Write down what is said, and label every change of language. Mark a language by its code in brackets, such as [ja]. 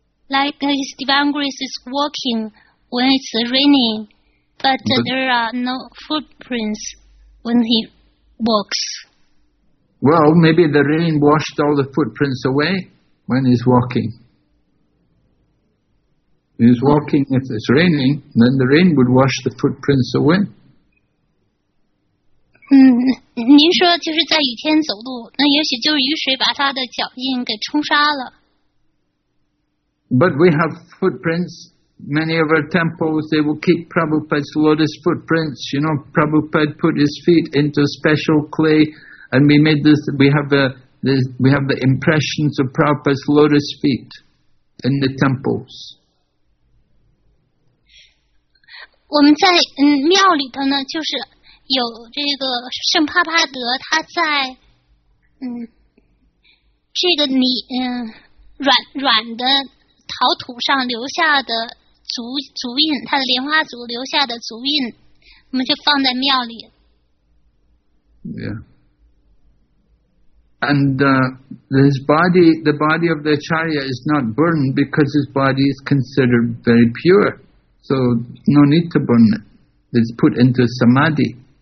[en] Like His Divine Grace is walking when it's raining, but there are no footprints. When he walks. Well, maybe the rain washed all the footprints away when he's walking. He's walking, if it's raining, then the rain would wash the footprints away. [zh] 您说就是在雨天走路，那也许就是雨水把他的脚印给冲刷了。 [en] But we have footprints. Many of our temples, they will keep Prabhupada's lotus footprints. You know, Prabhupada put his feet into special clay, and we made this. We have the impressions of Prabhupada's lotus feet in the temples. [zh] 我们在庙里头呢，就是有这个圣帕帕德，他在这个泥软的陶土上留下的。足印，他的莲花足留下的足印，我们就放在庙里。 [en] Yeah. And his body, the body of the Acharya is not burned because his body is considered very pure. So no need to burn it. It's put into samadhi.